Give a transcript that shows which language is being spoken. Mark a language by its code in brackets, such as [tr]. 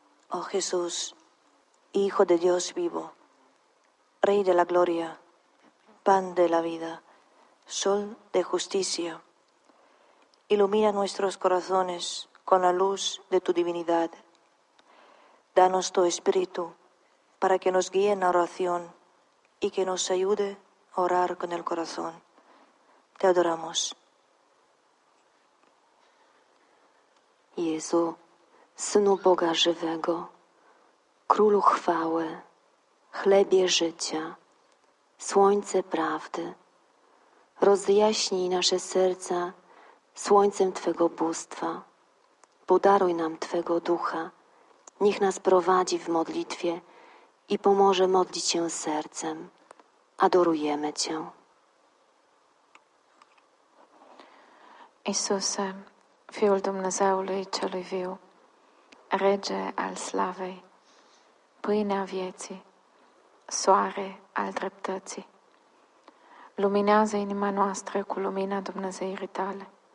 [es] Oh Jesús, Hijo de Dios vivo, Rey de la Gloria, Pan de la Vida, Sol de Justicia, ilumina nuestros corazones con la luz de tu divinidad. Danos tu Espíritu para que nos guíe en la oración. Y que nos ayude a orar con el corazón. Te adoramos. [pl] Jezu, Synu Boga Żywego, Królu Chwały, Chlebie Życia, Słońce Prawdy, rozjaśnij nasze serca słońcem Twego bóstwa. Podaruj nam Twego Ducha. Niech nas prowadzi w modlitwie i pomoże modlić się sercem. Adorujemy Cię. [ro] Iisuse, Fiul Dumnezeului Celui Viu, Rege al Slavei, Pâinea Vieții, Soare al Dreptății, luminează inima noastră cu lumina Dumnezeirii Tale.